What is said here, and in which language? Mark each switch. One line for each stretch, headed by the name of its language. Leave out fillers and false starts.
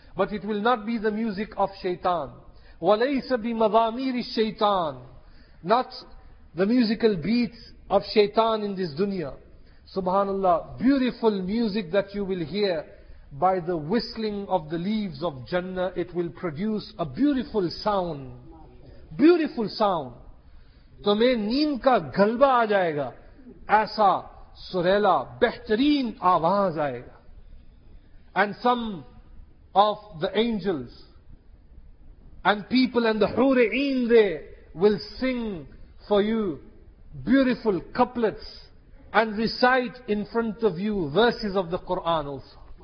English: But it will not be the music of shaitan.
Arabic: وَلَيْسَ بِمَضَامِيرِ الشَّيْطَانِ
English: Not the musical beats of shaitan in this dunya. Subhanallah, beautiful music that you will hear by the whistling of the leaves of Jannah, it will produce a beautiful sound. Beautiful sound.
Urdu: تمہیں نیم کا گلبہ آ جائے گا. ایسا سریلا بہترین آواز آئے گا.
English: And some of the angels and people and the hure'een there will sing for you beautiful couplets and recite in front of you verses of the Quran also.